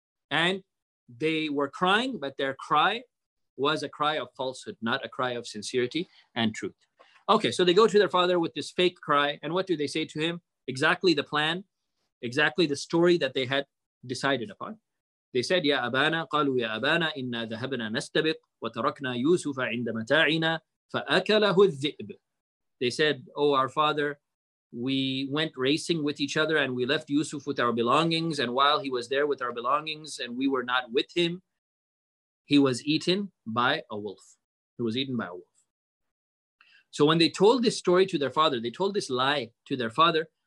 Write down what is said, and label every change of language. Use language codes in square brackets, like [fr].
[en] And they were crying, but their cry was a cry of falsehood, not a cry of sincerity and truth. Okay, so they go to their father with this fake cry. And what do they say to him? Exactly the plan, exactly the story that they had decided upon. They said, [ar] Ya Abana, قالوا يا أبانا إنا ذهبنا نستبق وتركنا يوسف عند متاعنا فأكله الذئب. [en] They said, Oh, our father, we went racing with each other and we left Yusuf with our belongings. And while he was there with our belongings and we were not with him, he was eaten by a wolf. He was eaten by a wolf. So when they told this story to their father, they told this lie to their father.